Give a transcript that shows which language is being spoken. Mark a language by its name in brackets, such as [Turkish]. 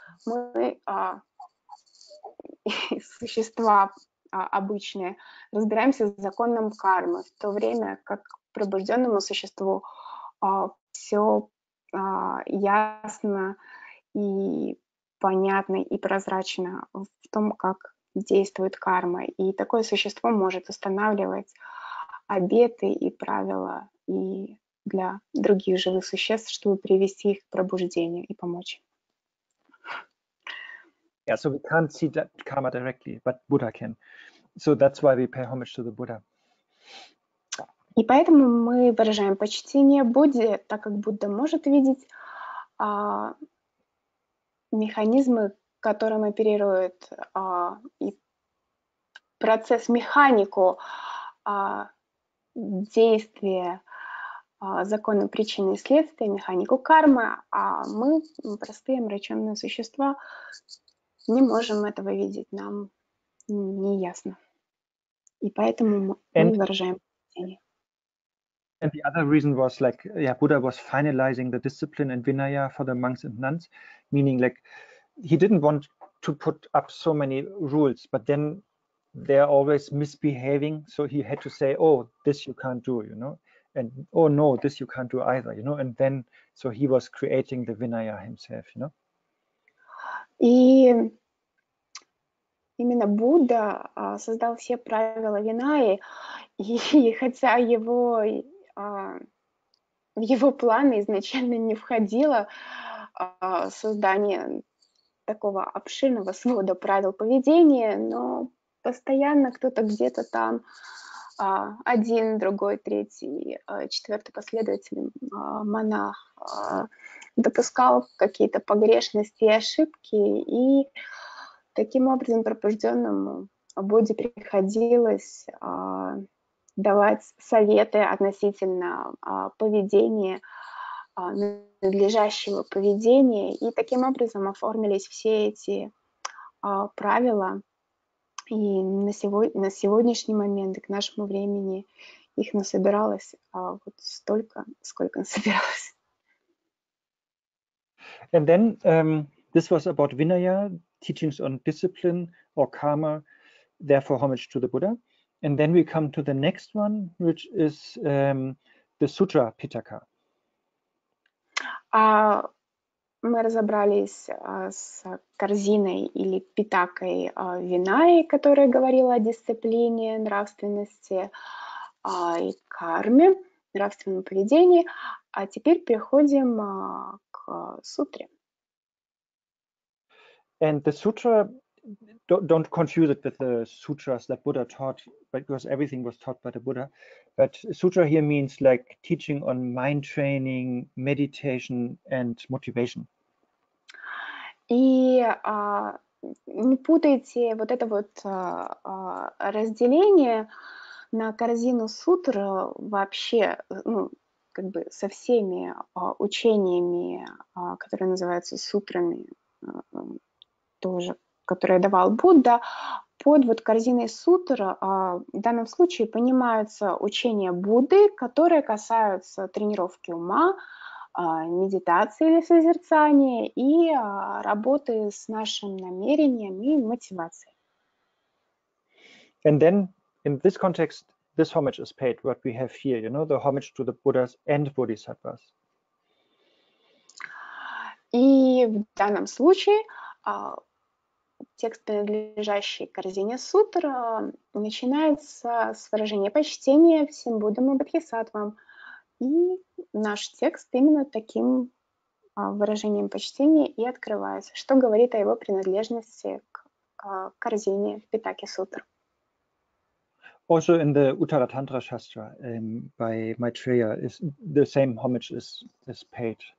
[Russian] Мы, существа обычные, разбираемся с законом кармы, в то время как пробужденному существу все ясно и понятно и прозрачно в том, как действует карма. И такое существо может устанавливать обеты и правила и для других живых существ, чтобы привести их к пробуждению и помочь им. [English] Yeah, so we can't see that karma directly, but Buddha can. So that's why we pay homage to the Buddha. [Russian] И поэтому мы выражаем почтение Будде, так как Будда может видеть механизмы, которым оперирует и процесс механику действия законы причины и следствия, механику кармы, а мы, простые омраченные существа, не можем этого видеть, нам не ясно. И поэтому мы выражаем опасения. [English] And the other reason was like, yeah, Buddha was finalizing the discipline and Vinaya for the monks and nuns, meaning like he didn't want to put up so many rules, but then they're always misbehaving. So he had to say, oh, this you can't do, you know, and oh, no, this you can't do either, you know, and then so he was creating the Vinaya himself, you know. [Russian] И именно Будда создал все правила Винаи, и хотя его в его планы изначально не входило создание такого обширного свода правил поведения, но постоянно кто-то где-то там, один, другой, третий, четвертый последователь, монах, допускал какие-то погрешности и ошибки, и таким образом пробужденному Будде приходилось давать советы относительно поведения, надлежащего поведения, и таким образом оформились все эти правила, и на сегодняшний момент, и к нашему времени, их насобиралось вот столько, сколько насобиралось. [English] And then this was about Vinaya, teachings on discipline or karma, therefore homage to the Buddha. And then we come to the next one, which is the Sutra Pitaka. [Russian] Мы разобрались с корзиной или питакой Винаи, которая говорила о дисциплине, нравственности и карме, нравственном поведении. А теперь переходим к сутре. [English] And the sutra... Don't confuse it with the sutras that Buddha taught, because everything was taught by the Buddha. But sutra here means like teaching on mind training, meditation and motivation. [Russian] И не путайте вот это вот разделение на корзину сутр вообще, ну, как бы со всеми учениями, которые называются сутрами, тоже которое давал Будда, под вот корзиной сутр в данном случае понимаются учения Будды, которые касаются тренировки ума, медитации или созерцания и работы с нашим намерением и мотивацией. [English] And then in this context, this homage is paid, what we have here, you know, the homage to the Buddhas and Bodhisattvas. [Russian] И в данном случае текст, принадлежащий корзине сутра, начинается с выражения почтения всем Буддам и Бодхисаттвам. И наш текст именно таким выражением почтения и открывается, что говорит о его принадлежности к корзине Питаки сутр. [English] Also in the Uttara Tantra Shastra by Maitreya is the same homage is paid.